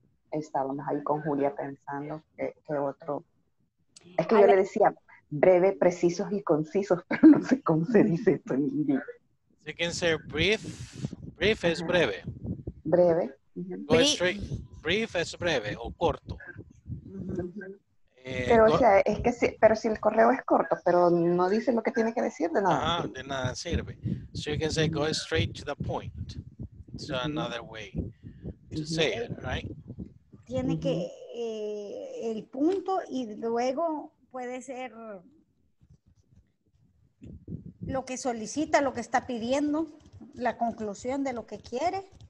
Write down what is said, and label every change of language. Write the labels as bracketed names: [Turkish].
[Spanish] Estábamos ahí con Julia pensando qué otro. Es que yo le decía breve, precisos y concisos, pero no sé cómo se dice esto en inglés. [English] You can say brief. [Spanish] Brief es breve. Breve. [English] Go straight. [Spanish] Brief es breve o corto. Pero si el correo es corto, pero no dice lo que tiene que decir, de nada. Ah, de nada sirve. [English] So you can say go straight to the point. So another way to say it, right? [Spanish] Tiene que el punto y luego puede ser lo que solicita, lo que está pidiendo, la conclusión de lo que quiere.